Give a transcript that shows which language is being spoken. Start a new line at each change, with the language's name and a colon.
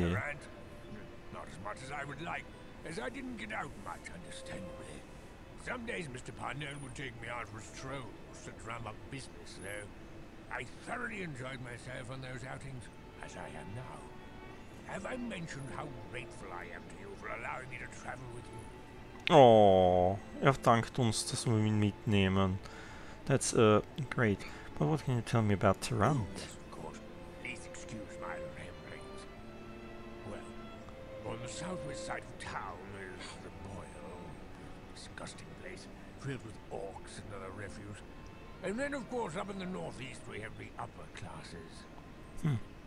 English: Grant, not as much as I would like, as I didn't get out much, understand me. Some days Mr. Parnell would take me out for strolls to drum up business, though. I thoroughly enjoyed myself on those outings, as I am now. Have I mentioned how grateful I am to you for allowing me to travel with you?
German: Oh, er dankt uns, dass wir ihn mitnehmen.
English: That's great. But what can you tell me about Tarant? Yes, of course. Please excuse my ramblings. Well, on the southwest side of town is the Boil. Disgusting place, filled with orcs and other refuse. And then, of course, up in the northeast we have the upper classes.